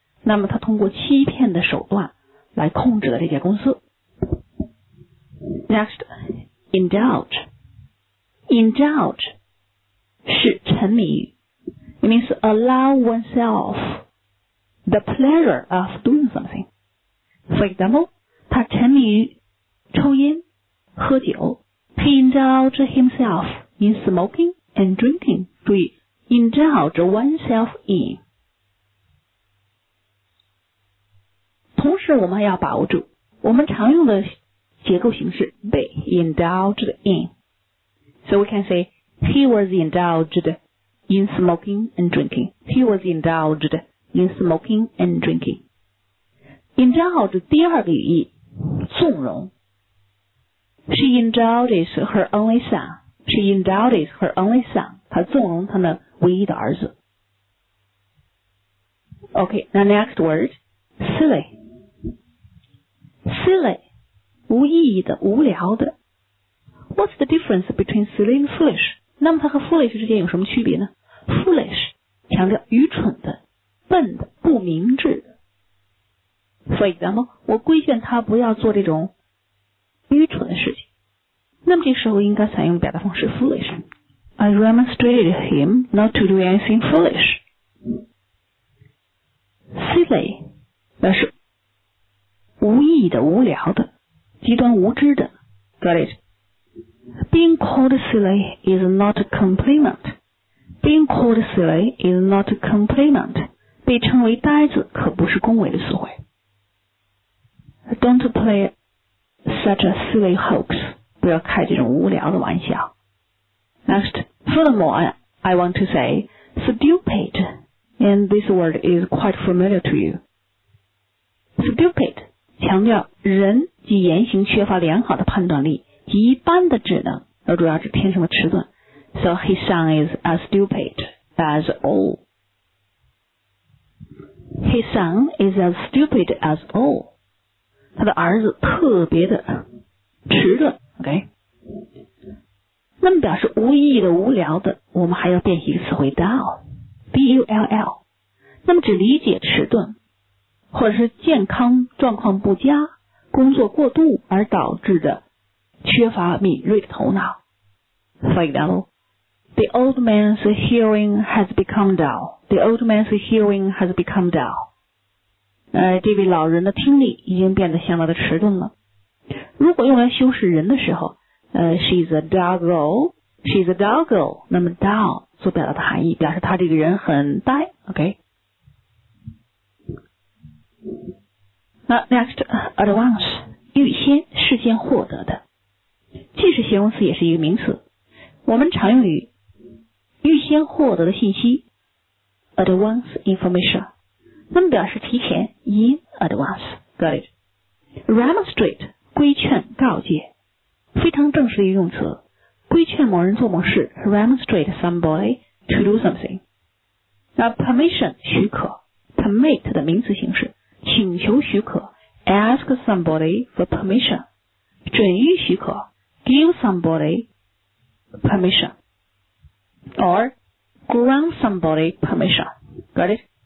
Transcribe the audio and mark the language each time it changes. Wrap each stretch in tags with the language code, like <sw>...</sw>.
<zh>那么他通过欺骗的手段来控制了这家公司。</zh> <en>Next, indulge. Indulge</en> <zh>是沉迷于。</zh> <en>It means allow oneself the pleasure of doing something. For example,</en> <zh>他沉迷于抽烟、喝酒。</zh> <en>He indulged himself in smoking and drinking.</en> <zh>注意</zh> <en>indulge oneself in</en> <zh>同时我们要把握住我们常用的结构形式</zh> <en>be indulged in so we can say he was indulged in smoking and drinking he was indulged in smoking and drinking indulge</en> <zh>第二个语义纵容</zh> <en>she indulges her only son she indulges her only son</en> <zh>她纵容她的唯一的儿子</zh> <en>OK, now next word Silly Silly</en> <zh>无意义的、无聊的。</zh> <en>What's the difference between silly and foolish?</en> <zh>那么它和 foolish 之间有什么区别呢？ Foolish 强调愚蠢的、笨的、不明智的。</zh> <en>For example,</en> <zh>我规劝他不要做这种愚蠢的事情。那么这时候应该采用表达方式 foolish。</zh> <en>I remonstrated him not to do anything foolish.</en> <zh>Silly 表示无意义的、无聊的、极端无知的。</zh> <en>Got it? Being called silly is not a compliment. Being called silly is not a compliment.</en> <zh>被称为呆子可不是恭维的词汇。</zh> <en>Don't play such a silly hoax.</en> <zh>不要开这种无聊的玩笑。</zh> <en>Next, furthermore, I want to say, stupid, and this word is quite familiar to you.</en> <zh>Stupid, 强调人及言行缺乏良好的判断力及一般的智能，而主要是天生的迟钝。</zh> <en>So his son is as stupid as all. His son is as stupid as all.</en> <zh>他的儿子特别的迟钝 ,OK? 那么表示无意义的、无聊的，我们还要练习一个词汇 dull, D-U-L-L, 那么只理解迟钝，或者是健康状况不佳、工作过度而导致的缺乏敏锐的头脑。</zh> <en>For example, the old man's hearing has become dull, the old man's hearing has become dull.</en> <zh>这位老人的听力已经变得相当的迟钝了。如果用来修饰人的时候，</zh> <en>she's a dull girl,</en> <zh>she's a dull girl, 那么 dull 所表达的含义表示他这个人很呆 ,OK?</zh> <en>Next, advance,</en> <zh>预先、事先获得的。既是形容词也是一个名词。我们常用于预先获得的信息 ,</zh> <en>advance information,</en> <zh>那么表示提前 ,</zh> <en>in advance, got it.</en> <zh>Remonstrate, 规劝、告诫。非常正式的一个用词，规劝某人做某事 ,</zh> <en>remonstrate somebody to do something.</en> <zh>那</zh> <en>permission,</en> <zh>许可</zh> <en>,permit</en> <zh>的名词形式，请求许可</zh> <en>,ask somebody for permission,</en> <zh>准予许可</zh> <en>,give somebody permission, or grant somebody permission. Got it?</en>